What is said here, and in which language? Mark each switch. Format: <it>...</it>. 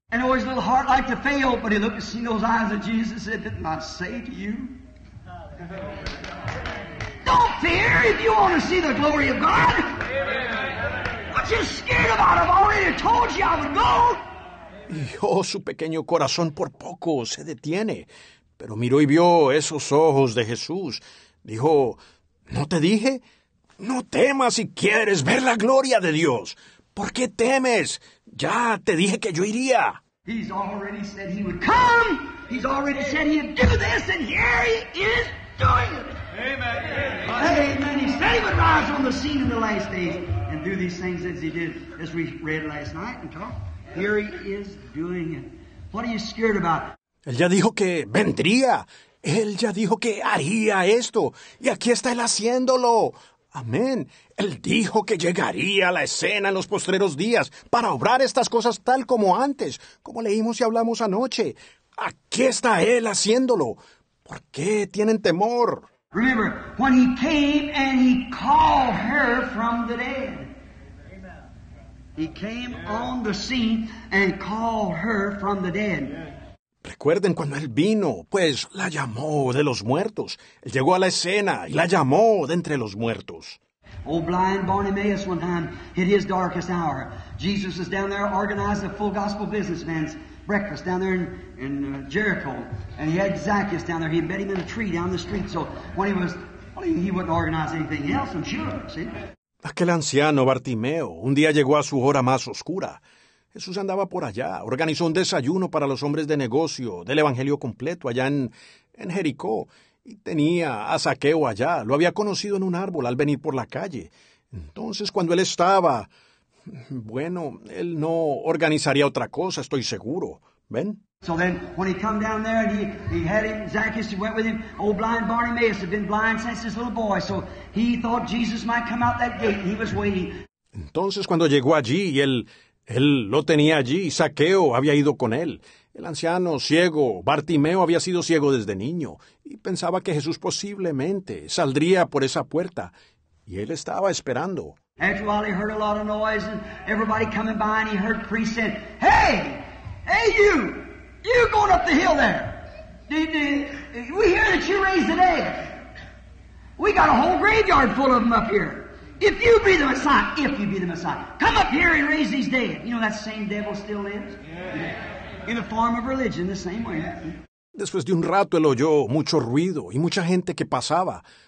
<en>And always a little heart like to fail, but he looked and seen those eyes of Jesus and said, didn't I say to you? Don't fear if you want to see the glory of God. What you scared about? I've already told you I would go.</en> <es>Y su pequeño corazón por poco se detiene, pero miró y vio esos ojos de Jesús. Dijo, ¿no te dije? No temas si quieres ver la gloria de Dios. ¿Por qué temes? Ya te dije que yo iría.</es> <en>He's already said he would come. He's already said he'd do this, and here he is doing it. Amen. Amen. He said he would rise on the scene in the last days and do these things as he did, as we read last night and talked. Here he is doing it. What are you scared about?</en> <es>Él ya dijo que vendría. Él ya dijo que haría esto. Y aquí está él haciéndolo. Amén. Él dijo que llegaría a la escena en los postreros días para obrar estas cosas tal como antes, como leímos y hablamos anoche. Aquí está él haciéndolo. ¿Por qué tienen temor?</es> <en>Remember, when he came and he called her from the dead. He came on the scene and called her from the dead.</en> <es>Recuerden cuando él vino, pues la llamó de los muertos. Él llegó a la escena y la llamó de entre los muertos.</es> <en>Old blind Bartimaeus one time hit his darkest hour. Jesus was down there organizing a full gospel businessman's breakfast down there in Jericho. And he had Zacchaeus down there. He met him in a tree down the street. So when he was, he wouldn't organize anything else, I'm sure, see?</en> <es>Aquel anciano Bartimeo un día llegó a su hora más oscura. Jesús andaba por allá, organizó un desayuno para los hombres de negocio del Evangelio completo allá en Jericó, y tenía a Zaqueo allá, lo había conocido en un árbol al venir por la calle. Entonces, cuando él estaba, bueno, él no organizaría otra cosa, estoy seguro. ¿Ven?</es> <en>So then, when he come down there and he had him, Zacchaeus, he went with him. Old blind Bartimaeus had been blind since his little boy, so he thought Jesus might come out that gate and he was waiting.</en> <es>Entonces, cuando llegó allí y él lo tenía allí, Zaqueo había ido con él. El anciano ciego, Bartimeo, había sido ciego desde niño y pensaba que Jesús posiblemente saldría por esa puerta. Y él estaba esperando.</es> <en>After a while, he heard a lot of noise and everybody coming by, and he heard priests saying, "Hey! Hey, you! You going up the hill there! We hear that you raised the dead. We got a whole graveyard full of them up here. If you be the Messiah, if you be the Messiah, come up here and raise these dead." You know, that same devil still lives? Yeah. In the form of religion, the same way.</en> <es>Después de un rato, él oyó mucho ruido y mucha gente que pasaba.</es>